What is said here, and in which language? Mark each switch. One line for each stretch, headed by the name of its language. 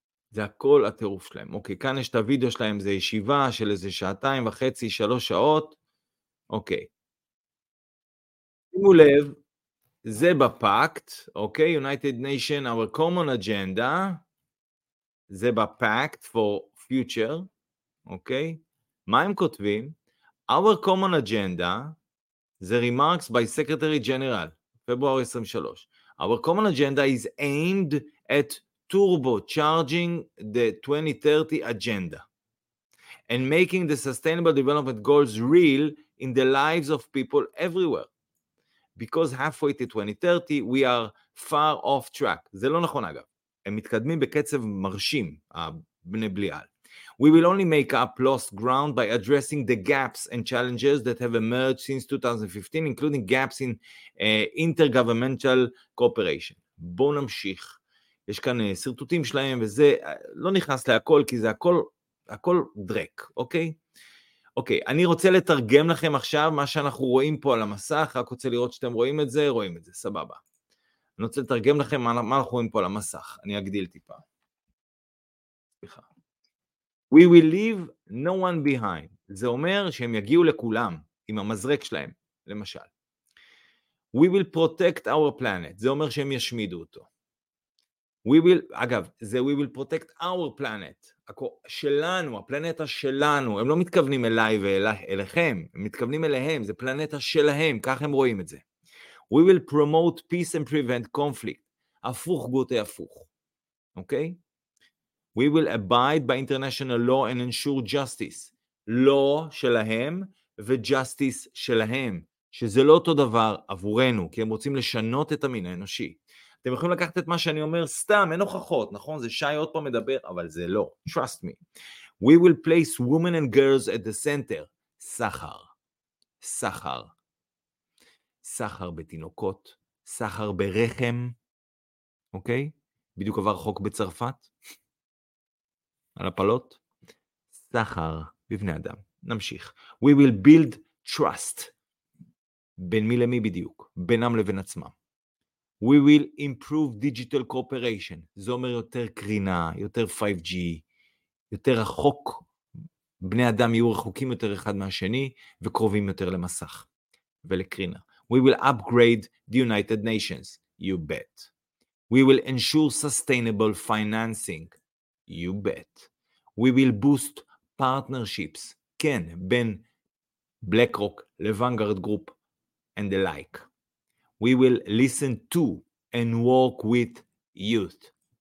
Hebrew: זה הכל הטירוף שלהם. אוקיי, כאן יש את הוידאו שלהם, זה ישיבה של איזה שעתיים וחצי, שלוש שעות. אוקיי. שימו לב, זה בפאקט, אוקיי,
English: United Nation, our common agenda,
Hebrew: זה בפאקט
English: for future,
Hebrew: אוקיי, מה הם כותבים?
English: Our common agenda, זה remarks by Secretary General,
Hebrew: פברואר 23,
English: our common agenda is aimed at turbocharging the 2030 agenda, and making the sustainable development goals real in the lives of people everywhere. Because halfway to 2030, we are far off track.
Hebrew: זה לא נכון אגב. הם מתקדמים בקצב מרשים, בני בליעל.
English: We will only make up lost ground by addressing the gaps and challenges that have emerged since 2015, including gaps in intergovernmental cooperation.
Hebrew: בואו נמשיך. יש כאן סרטוטים שלהם, וזה לא נכנס להכל, כי זה הכל דרק, אוקיי? אוקיי, אני רוצה לתרגם לכם עכשיו מה שאנחנו רואים פה על המסך, רק רוצה לראות שאתם רואים את זה, רואים את זה, סבבה. אני רוצה לתרגם לכם מה אנחנו רואים פה על המסך, אני אגדיל טיפה.
English: We will leave no one behind.
Hebrew: זה אומר שהם יגיעו לכולם, עם המזרק שלהם, למשל.
English: We will protect our planet.
Hebrew: זה אומר שהם ישמידו אותו. אגב, זה
English: we will protect our planet.
Hebrew: שלנו, הפלנטה שלנו. הם לא מתכוונים אליי ואליכם. הם מתכוונים אליהם. זה פלנטה שלהם. כך הם רואים את זה.
English: We will promote peace and prevent conflict.
Hebrew: הפוך גוטי הפוך. אוקיי?
English: We will abide by international law and ensure justice.
Hebrew: law שלהם ו-justice שלהם. שזה לא אותו דבר עבורנו, כי הם רוצים לשנות את המין האנושי. אתם יכולים לקחת את מה שאני אומר, סתם, אין הוכחות, נכון? זה שי עוד פעם מדבר, אבל זה לא.
English: Trust me. We will place women and girls at the center.
Hebrew: סחר. סחר. סחר בתינוקות. סחר ברחם. אוקיי? בדיוק עבר חוק בצרפת. על הפלות. סחר בבני אדם. נמשיך.
English: We will build trust.
Hebrew: בין מי למי בדיוק? בינם לבין עצמם.
English: We will improve digital cooperation.
Hebrew: זה אומר יותר קרינה, יותר 5G, יותר רחוק. בני אדם יהיו רחוקים יותר אחד מהשני, וקרובים יותר למסך ולקרינה.
English: We will upgrade the United Nations. You bet. We will ensure sustainable financing. You bet. We will boost partnerships.
Hebrew: כן, בין BlackRock לוונגרד גרופ.
English: And the like. We will listen to and work with youth.